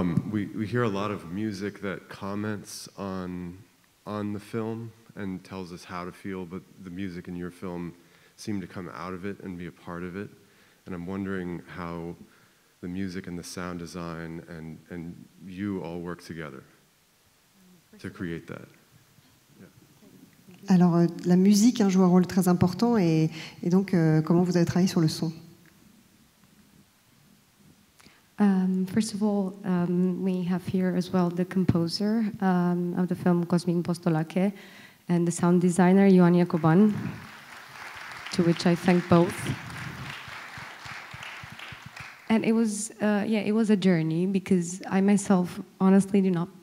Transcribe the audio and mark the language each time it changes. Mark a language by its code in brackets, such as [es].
[en] We hear a lot of music that comments on the film and tells us how to feel, but the music in your film seemed to come out of it and be a part of it. And I'm wondering how the music and the sound design and you all work together to create that. Yeah. [fr] Alors, la musique joue un rôle très important, et donc comment vous avez travaillé sur le son? [en] First of all, we have here as well the composer of the film, Cosmin Postolache, and the sound designer, Ioan Iacoban, to which I thank both. And it was a journey, because I myself honestly do not